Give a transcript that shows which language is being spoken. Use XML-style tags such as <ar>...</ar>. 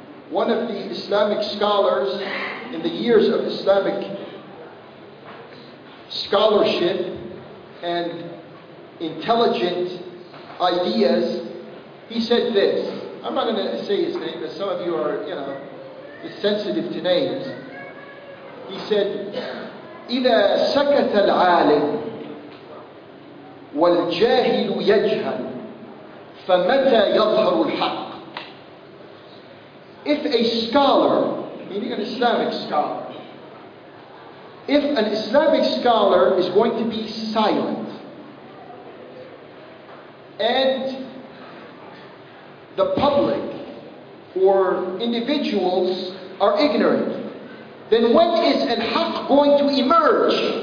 <en>One of the Islamic scholars in the years of Islamic scholarship and intelligent ideas, he said this. I'm not going to say his name, but some of you are, you know, sensitive to names. He said,</en> <ar>إِذَا سَكَتَ الْعَالِمُ وَالْجَاهِلُ يَجْهَلُ فَمَتَى يَظْهَرُ الْحَقِّ.</ar> <en>If a scholar, meaning an Islamic scholar, if an Islamic scholar is going to be silent and the public or individuals are ignorant, then when is al-haq going to emerge?</en>